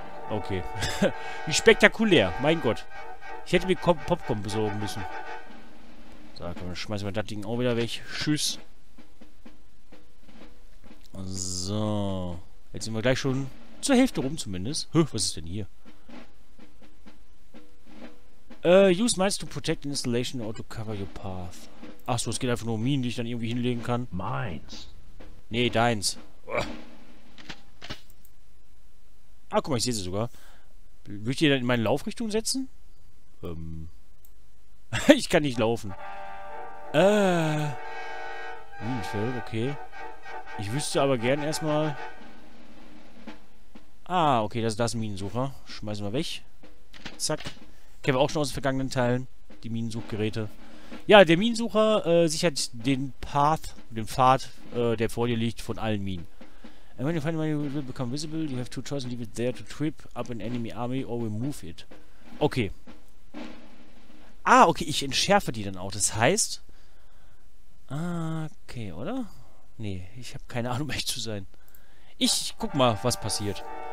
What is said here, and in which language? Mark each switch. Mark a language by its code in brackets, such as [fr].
[de] Okay. Wie spektakulär. Mein Gott. Ich hätte mir Popcorn besorgen müssen. So, komm, dann schmeißen wir das Ding auch wieder weg. Tschüss. So. Jetzt sind wir gleich schon zur Hälfte rum zumindest. Höh, was ist denn hier? [en] Use mines to protect an installation or to cover your path. [de] Achso, es geht einfach nur um Minen, die ich dann irgendwie hinlegen kann. [en] Mines. [de] Nee, deins. Ah, guck mal, ich sehe sie sogar. Würde ich die dann in meine Laufrichtung setzen? ich kann nicht laufen. Minenfeld, okay. Ich wüsste aber gern erstmal... Ah, okay, das ist ein Minensucher. Schmeißen wir weg. Zack. Kennen wir auch schon aus den vergangenen Teilen. Die Minensuchgeräte. Ja, der Minensucher sichert den Path, den Pfad, der vor dir liegt, von allen Minen. [en] And when you find a mine, you will become visible. You have two choices. Leave it there to trip up an enemy army or remove it. Okay. [de] Ah, okay, ich entschärfe die dann auch. Das heißt... okay, oder? Nee, ich habe keine Ahnung, um echt zu sein. Ich guck mal, was passiert.